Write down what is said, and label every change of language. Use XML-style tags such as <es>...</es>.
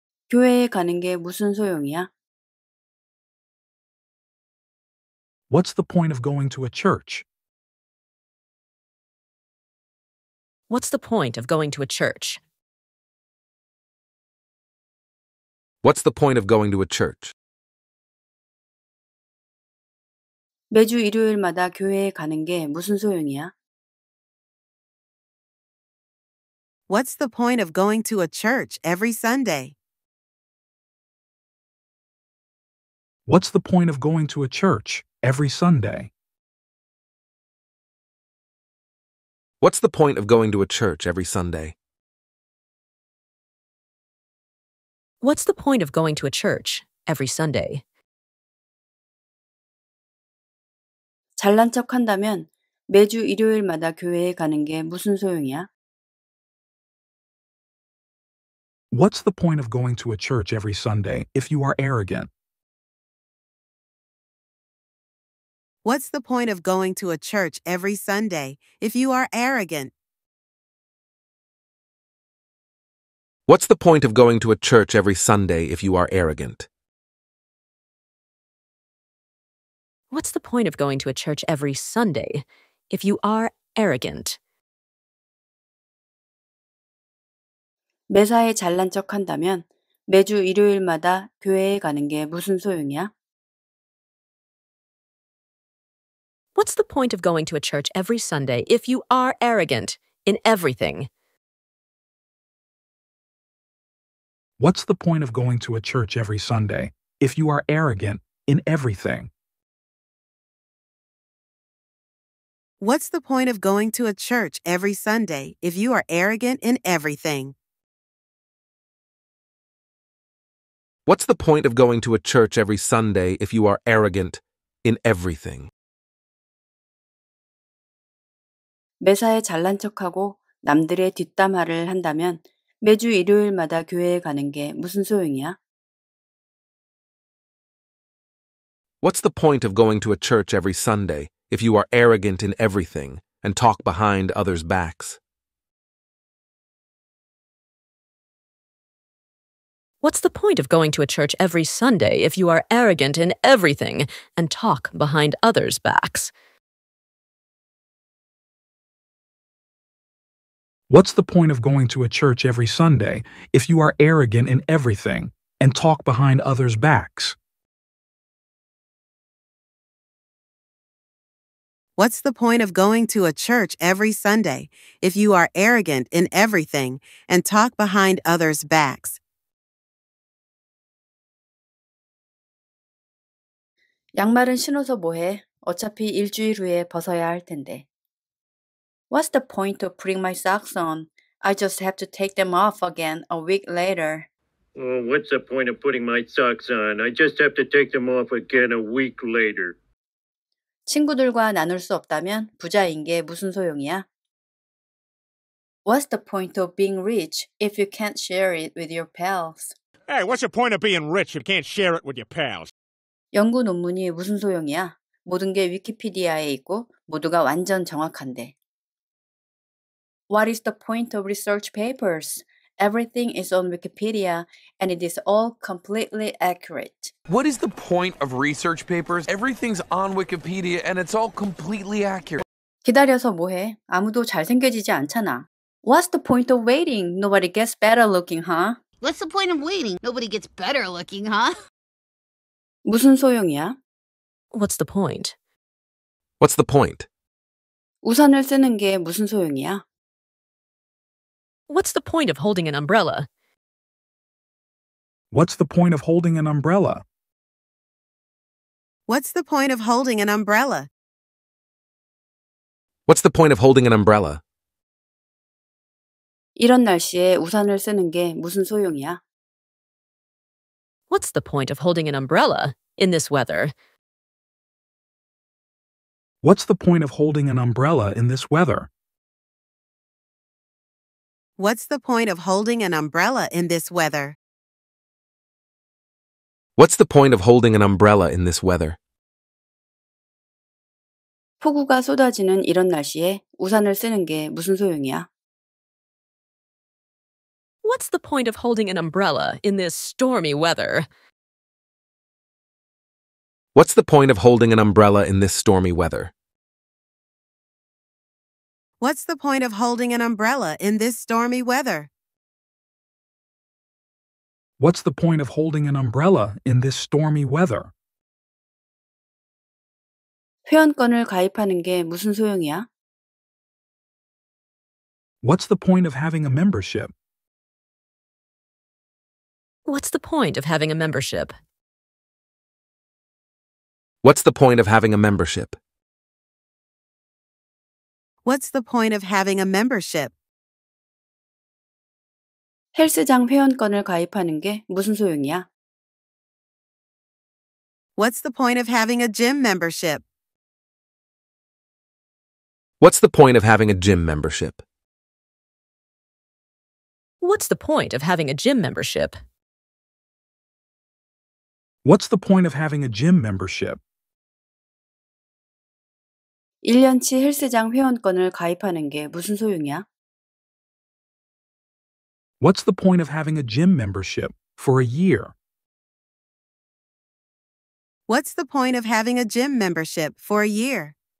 <ko>교회에 가는 게 무슨 소용이야?</ko> <en>What's the point of going to a church? What's the point of going to a church? What's the point of going to a church?</en> <ko>매주 일요일마다 교회에 가는 게 무슨 소용이야?</ko> <en>What's the point of going to a church every Sunday? What's the point of going to a church every Sunday? What's the point of going to a church every Sunday? What's the point of going to a church every Sunday?</en> <ko>잘난 척한다면 매주 일요일마다 교회에 가는 게 무슨 소용이야?</ko> <en>What's the point of going to a church every Sunday if you are arrogant? What's the point of going to a church every Sunday if you are arrogant? What's the point of going to a church every Sunday if you are arrogant? What's the point of going to a church every Sunday if you are arrogant?</en> <ko>매사에 잘난 척한다면 매주 일요일마다 교회에 가는 게 무슨 소용이야?</ko> <en>What's the point of going to a church every Sunday if you are arrogant in everything? What's the point of going to a church every Sunday if you are arrogant in everything? What's the point of going to a church every Sunday if you are arrogant in everything? What's the point of going to a church every Sunday if you are arrogant in everything?</en> <ko>매사에 잘난 척하고 남들의 뒷담화를 한다면 매주 일요일마다 교회에 가는 게 무슨 소용이야?</ko> <en>What's the point of going to a church every Sunday if you are arrogant in everything and talk behind others' backs? What's the point of going to a church every Sunday if you are arrogant in everything and talk behind others' backs? What's the point of going to a church every Sunday if you are arrogant in everything and talk behind others' backs? What's the point of going to a church every Sunday if you are arrogant in everything and talk behind others' backs?</en> <ko>양말은 신어서 뭐해? 어차피 일주일 후에 벗어야 할 텐데.</ko> <en>What's the point of putting my socks on? I just have to take them off again a week later. Well, what's the point of putting my socks on? I just have to take them off again a week later.</en> <ko>친구들과 나눌 수 없다면 부자인 게 무슨 소용이야?</ko> <en>What's the point of being rich if you can't share it with your pals? Hey, what's the point of being rich if you can't share it with your pals?</en> <ko>연구 논문이 무슨 소용이야? 모든 게 위키피디아에 있고 모두가 완전 정확한데.</ko> <en>What is the point of research papers? Everything is on Wikipedia, and it is all completely accurate. What is the point of research papers? Everything's on Wikipedia, and it's all completely accurate.</en> <ko>기다려서 뭐해? 아무도 잘생겨지지 않잖아.</ko> <en>What's the point of waiting? Nobody gets better looking, huh? What's the point of waiting? Nobody gets better looking, huh?</en> <ko>무슨 소용이야?</ko> <en>What's the point? What's the point?</en> <ko>우산을 쓰는 게 무슨 소용이야?</ko> <en>What's the point of holding an umbrella? What's the point of holding an umbrella? What's the point of holding an umbrella? What's the point of holding an umbrella?</en> <ko>이런 날씨에 우산을 쓰는 게 무슨 소용이야?</ko> <en>What's the point of holding an umbrella in this weather? What's the point of holding an umbrella in this weather? What's the point of holding an umbrella in this weather? What's the point of holding an umbrella in this weather?</en> <ko>폭우가 쏟아지는 이런 날씨에 우산을 쓰는 게 무슨 소용이야?</ko> <en>What's the point of holding an umbrella in this stormy weather? What's the point of holding an umbrella in this stormy weather? What's the point of holding an umbrella in this stormy weather? What's the point of holding an umbrella in this stormy weather?</en> <ko>회원권을 가입하는 게 무슨 소용이야?</ko> <en>What's the point of having a membership? What's the point of having a membership? What's the point of having a membership? What's the point of having a membership?</en> <ko>헬스장 회원권을 가입하는 게 무슨 소용이야?</ko> <en>What's the point of having a gym membership? What's the point of having a gym membership? What's the point of having a gym membership? What's the point of having a gym membership?</en> <ko>1년치 헬스장 회원권을 가입하는 게 무슨 소용이야?</ko> <en>What's the point of having a gym membership for a year? What's the point of having a gym membership for a year?</en>